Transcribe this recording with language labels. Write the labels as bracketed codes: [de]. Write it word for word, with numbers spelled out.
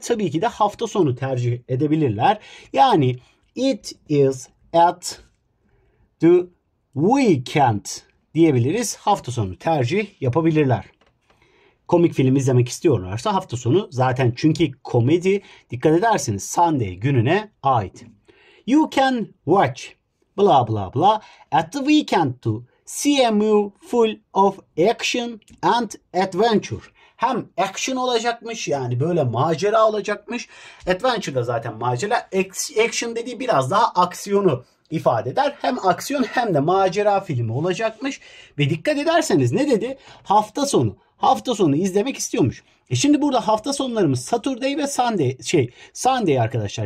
[tr] Tabii ki de hafta sonu tercih edebilirler. Yani [en] it is at the weekend [tr] diyebiliriz. Hafta sonu tercih yapabilirler. Komik film izlemek istiyorlarsa hafta sonu zaten, çünkü komedi dikkat ederseniz Sunday gününe ait. [en] You can watch blah blah blah at the weekend to see a movie full of action and adventure. [tr] hem action olacakmış, yani böyle macera olacakmış. Adventure da zaten macera. Action dediği biraz daha aksiyonu ifade eder. Hem aksiyon hem de macera filmi olacakmış. Ve dikkat ederseniz ne dedi? Hafta sonu. Hafta sonu izlemek istiyormuş. E şimdi burada hafta sonlarımız Saturday ve Sunday şey Sunday arkadaşlar.